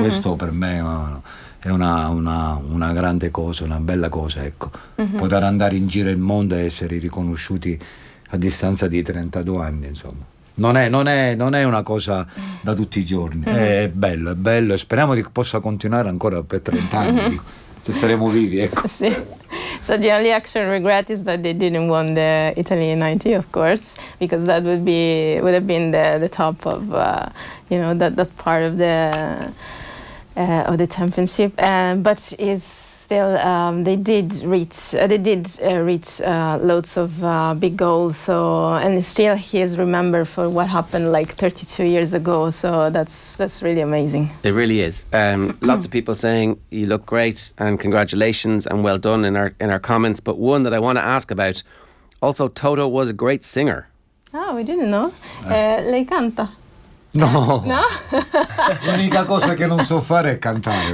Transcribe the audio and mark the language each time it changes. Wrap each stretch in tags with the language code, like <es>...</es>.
<it>questo per me è una grande cosa, una bella cosa, ecco. Mm-hmm. Poter andare in giro il mondo e essere riconosciuti a distanza di 32 anni, insomma. Non è una cosa da tutti i giorni. Mm-hmm. È bello, e speriamo che possa continuare ancora per 30 anni, mm-hmm. se saremo vivi, ecco. Sì.</it> <en>So the only actual regret is that they didn't win the Italy 90, of course, because that would have been the top of that part of the championship. But it's still, they did reach loads of big goals. So, and still he is remembered for what happened like 32 years ago. So that's really amazing. It really is. lots of people saying you look great and congratulations and well done in our comments. But one that I want to ask about, also Toto was a great singer. Oh, we didn't know.</en> <it>Lei canta. No, no? L'unica cosa che non so fare è cantare.</it>